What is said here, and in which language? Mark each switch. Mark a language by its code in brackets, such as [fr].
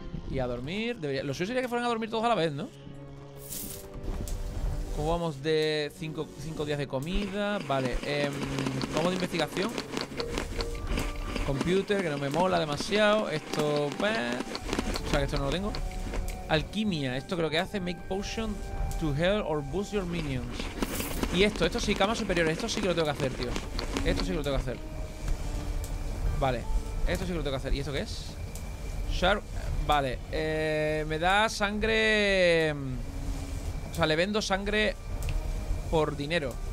[es] Y a dormir. Debería... Lo suyo sería que fueran a dormir todos a la vez, ¿no? ¿Cómo vamos de 5 días de comida? Vale. ¿Cómo de investigación? Computer, que no me mola demasiado. Esto. O sea, que esto no lo tengo. Alquimia. Esto creo que hace. [en] Make potion to heal or boost your minions. [es] Y esto. Esto sí, camas superiores. Esto sí que lo tengo que hacer, tío. Esto sí que lo tengo que hacer. Vale. Esto sí que lo tengo que hacer. ¿Y esto qué es? Sharp. Vale, me da sangre. O sea, le vendo sangre por dinero.